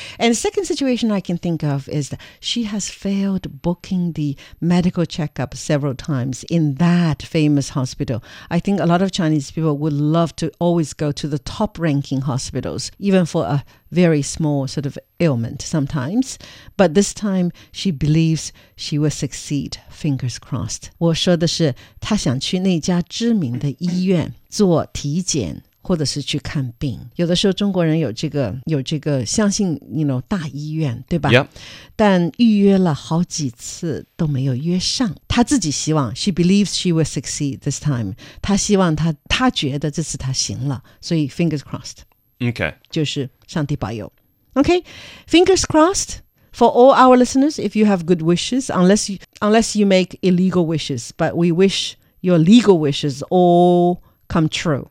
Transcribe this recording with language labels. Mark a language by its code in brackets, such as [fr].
[en] And the second situation I can think of is that she has failed booking the medical checkup several times in that famous hospital. I think a lot of Chinese people would love to always go to the top-ranking hospitals, even for a very small sort of ailment sometimes, but this time she believes she will succeed. Fingers crossed. [zh] 我说的是她想去那家知名的医院做体检或者是去看病。有的时候中国人有这个相信 [en] you know, [zh] 大医院对吧、 [en] yep. [zh] 但预约了好几次都没有约上。她自己希望 [en] she believes she will succeed this time. [zh] 她希望她觉得这次她行了，所以 [en] fingers crossed. Okay. [zh] 就是上帝保佑。 [en] Okay, fingers crossed for all our listeners, if you have good wishes, unless you make illegal wishes, but we wish your legal wishes all come true.